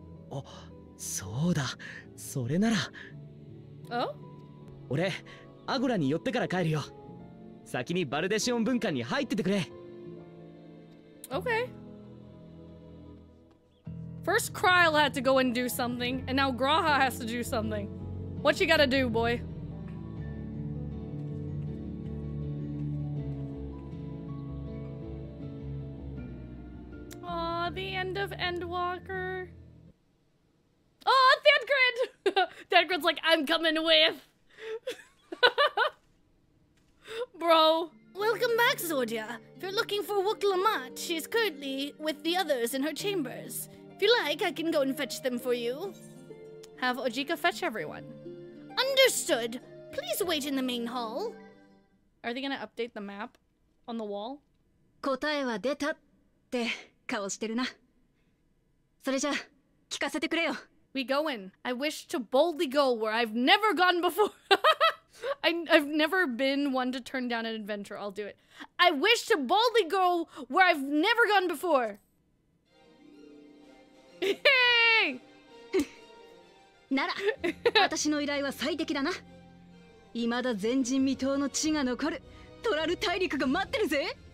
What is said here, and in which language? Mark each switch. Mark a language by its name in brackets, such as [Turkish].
[Japanese] あ、そうだ、それなら。お？俺、アゴラに寄ってから帰るよ。先にバルデシオン文館に入っててくれ。 [English] OK。 First Kryle had to go and do something, and now Graha has to do something. What you gotta do, boy? The end of Endwalker. Oh, Thancred! Thancred's like, I'm coming with! Bro. Welcome back, Zordia. If you're looking for Wook Lamat, she's currently with the others in her chambers. If you like, I can go and fetch them for you. Have Ojika fetch everyone. Understood. Please wait in the main hall. Are they gonna update the map on the wall? [Japanese] 答えは出たって顔してるな。それじゃ、聞かせてくれよ。 [English] We go in. I wish to boldly go where I've never gone before. I've never been one to turn down an adventure. I'll do it. I wish to boldly go where I've never gone before. Hey! [Japanese] なら、私の依頼は最適だな。未だ前人未到の地が残るトラル大陸が待ってるぜ。